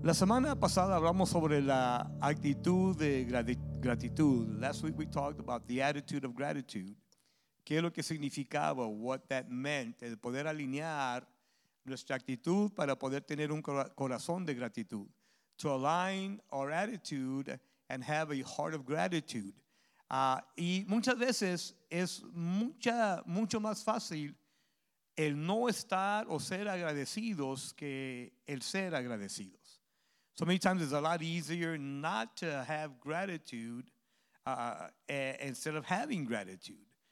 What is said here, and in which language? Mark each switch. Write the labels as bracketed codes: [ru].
[es] La semana pasada hablamos sobre la actitud de gratitud. [en] Last week we talked about the attitude of gratitude. [es] ¿Qué es lo que significaba? [en] What that meant? [es] El poder alinear nuestra actitud para poder tener un corazón de gratitud. [en] To align our attitude and have a heart of gratitude. [es] Y muchas veces es mucho más fácil el no estar o ser agradecidos que el ser agradecidos. [en] So many times it's a lot easier not to have gratitude instead of having gratitude.